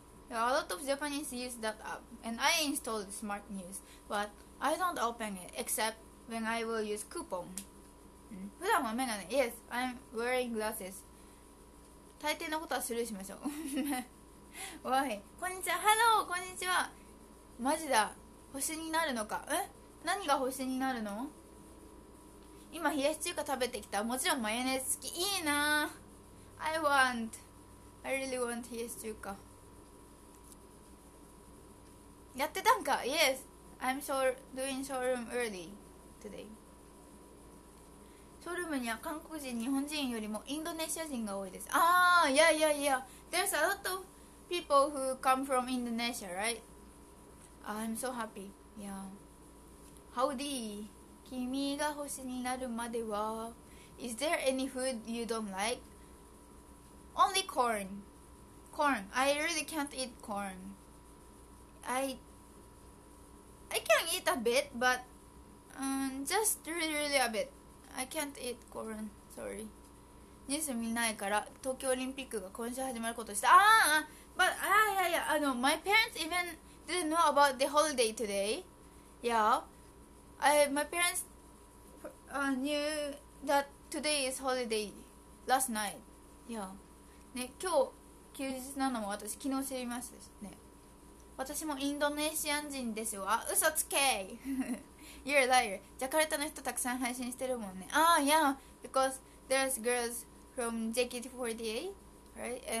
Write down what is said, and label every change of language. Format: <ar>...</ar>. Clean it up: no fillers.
<en>A lot of Japanese use that app and I installed Smart News but I don't open it except when I will use coupon。</en> <ja>普段はメガネ。</ja> <en>Yes, I'm wearing glasses。</en> <ja>大抵のことはスルーしましょう。おい、こんにちは。</ja> <en>Hello、</en> <ja>こんにちは。マジだ、星になるのか。え、何が星になるの。今冷やし中華食べてきた。もちろんマヨネーズ好き。いいな。</ja> <en>I want、 I really want 冷やし中華。</en> <ja>やってたんか。</ja> <en>Yes, I'm doing showroom early today。</en> <ja>ショールームには韓国人、日本人よりもインドネシア人が多いです。</ja> <en>ああ、いや There's a lot of people who come from Indonesia, right? I'm so happy. Yeah. Howdy.</en> <ja>君が星になるまでは。</ja> <en>Is there any food you don't like? Only corn. Corn. I really can't eat corn. I can eat a bit, but just really, really a bit. I can't eat corn. Sorry.</en> <ja>ニュース見ないから東京オリンピックが今週始まることした。</ja> <en>But yeah. My parents evendidn't know about the holiday today. Yeah, my parents knew that today is holiday last night.</en> <ja>Yeah, ね、今日休日なのも私昨日知りましたね。私もインドネシア人ですわ。嘘つけ。</ja> <en>You're a liar。</en> <ja>ジャカルタの人たくさん配信してるもんね。</ja> <en>ああ、yeah, because there's girls from JKT48, right?</en>